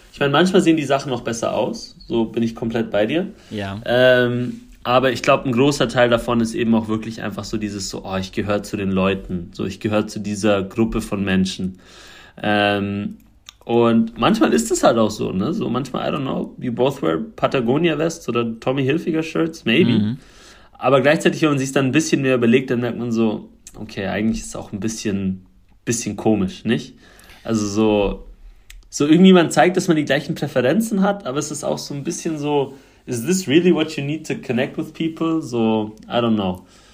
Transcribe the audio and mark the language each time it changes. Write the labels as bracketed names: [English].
[German] Ich meine, manchmal sehen die Sachen noch besser aus. So bin ich komplett bei dir. Ja. Aber ich glaube, ein großer Teil davon ist eben auch wirklich einfach so dieses so, oh, ich gehöre zu den Leuten, so, ich gehöre zu dieser Gruppe von Menschen. Und manchmal ist es halt auch so, ne? So manchmal, [English] I don't know, you both wear Patagonia Vests [German] oder [English] Tommy Hilfiger Shirts, maybe. [German] Aber gleichzeitig, wenn man sich es dann ein bisschen mehr überlegt, dann merkt man so, okay, eigentlich ist es auch ein bisschen komisch, nicht? Also so irgendwie man zeigt, dass man die gleichen Präferenzen hat, aber es ist auch so ein bisschen so, [English] is this really what you need to connect with people? So, I don't know.